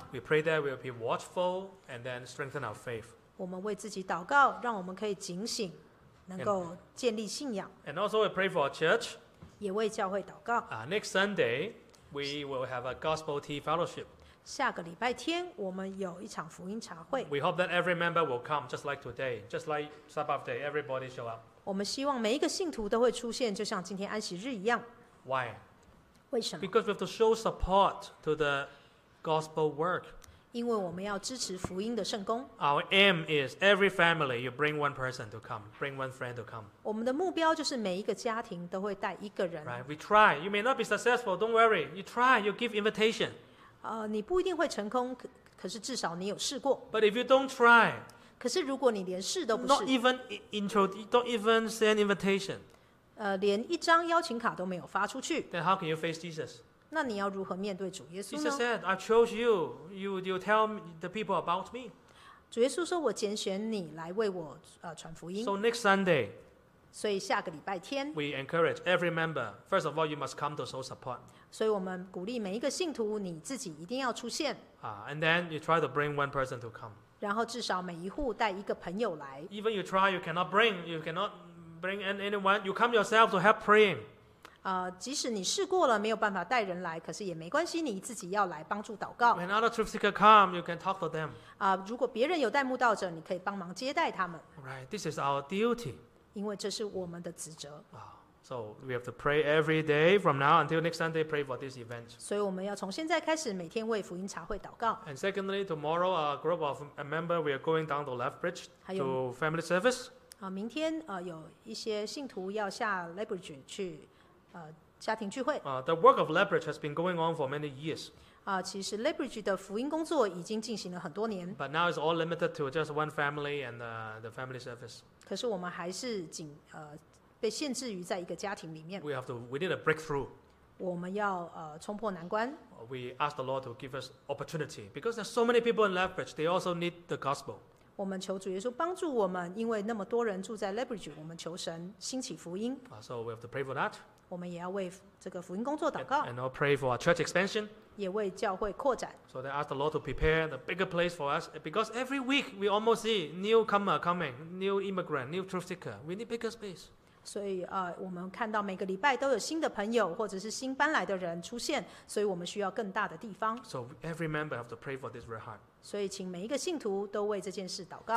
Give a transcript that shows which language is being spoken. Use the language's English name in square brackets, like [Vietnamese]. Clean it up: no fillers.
[English] We pray that we'll be watchful and then strengthen our faith. [Chinese] 我们为自己祷告，让我们可以警醒，能够建立信仰。 [English] And also we pray for our church. [Chinese] 也为教会祷告。 [English] Next Sunday, we will have a gospel tea fellowship. [Chinese] 下个礼拜天，我们有一场福音茶会。 [English] We hope that every member will come, just like today, just like Sabbath day, everybody show up. [Chinese] 我们希望每一个信徒都会出现，就像今天安息日一样。 [English] Why? [Chinese] 为什么? [English] Because we have to show support to the gospel work. [Chinese] 因为我们要支持福音的圣工。 [English] Our aim is every family, you bring one person to come, bring one friend to come. [Chinese] 我们的目标就是每一个家庭都会带一个人。 [English] Right, we try. You may not be successful, don't worry. You try, you give invitation. [Chinese] 你不一定会成功，可是至少你有试过。 [English] But if you don't try, [Chinese] 可是如果你连试都不试, [English] not even intro, don't even send invitation. [Chinese] 连一张邀请卡都没有发出去。 [English] Then how can you face Jesus? [Chinese] 那你要如何面对主耶稣呢? [English] Jesus said, I chose you. You tell the people about me. [Chinese] 主耶稣说我拣选你来为我传福音。 [English] So next Sunday, [Chinese] 所以下个礼拜天, [English] we encourage every member, first of all, you must come to show support. [Chinese] 所以我们鼓励每一个信徒你自己一定要出现。 [English] And then you try to bring one person to come. [Chinese] 然后至少每一户带一个朋友来。 [English] Even you try, you cannot bring anyone, you come yourself to help praying. [Chinese] 即使你试过了没有办法带人来，可是也没关系，你自己要来帮助祷告。 [English] When other truth seeker come, you can talk to them. [Chinese] 如果别人有带慕道者，你可以帮忙接待他们。 [English] Right, this is our duty. [Chinese] 因为这是我们的职责。 [English] So we have to pray every day from now until next Sunday, pray for this event. [Chinese] 所以我们要从现在开始每天为福音茶会祷告。 [English] And secondly, tomorrow a group of a member, we are going down to Lethbridge to family service. [Chinese] 明天有一些信徒要下 Lethbridge 去家庭聚会。 [English] The work of Lethbridge has been going on for many years. [Chinese] 其实 Lethbridge 的福音工作已经进行了很多年。 [English] But now it's all limited to just one family and the family service. [Chinese] 可是我们还是被限制于在一个家庭里面。 [English] We need a breakthrough. [Chinese] 我们要冲破难关。 [English] We ask the Lord to give us opportunity because there's so many people in Lethbridge. They also need the gospel. [Chinese] 我们求主耶稣帮助我们，因为那么多人住在 Lethbridge， 我们求神兴起福音。 [English] So we have to pray for that. [Chinese] 我们也要为这个福音工作祷告。 [English] And we'll pray for our church expansion. [Chinese] 也为教会扩展。 [English] So they ask the Lord to prepare the bigger place for us, because every week we almost see newcomer coming, new immigrant, new truth seeker. We need bigger space. [Chinese] 所以我们看到每个礼拜都有新的朋友或者是新搬来的人出现，所以我们需要更大的地方。 [English] So every member have to pray for this very hard. [Chinese] 所以请每一个信徒都为这件事祷告。